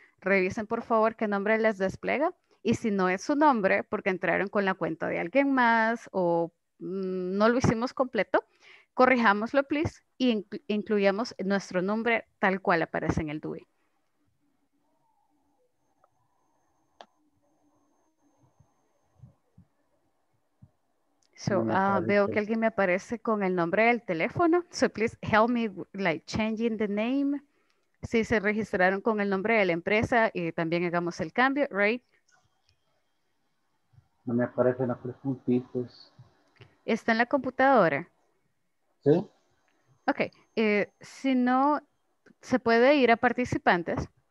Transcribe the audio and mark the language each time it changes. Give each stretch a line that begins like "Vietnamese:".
Spanish: Revisen por favor qué nombre les despliega. Y si no es su nombre, porque entraron con la cuenta de alguien más o no lo hicimos completo, corrijámoslo, please, y incluyamos nuestro nombre tal cual aparece en el DUI. So, veo que alguien me aparece con el nombre del teléfono.
English: So, please help me like changing the name.
Spanish: Si se registraron con el nombre de la empresa y también hagamos el cambio, right? No me aparecen los tres puntitos. ¿Está en la computadora? Sí. Ok. Si no, se puede ir a participantes.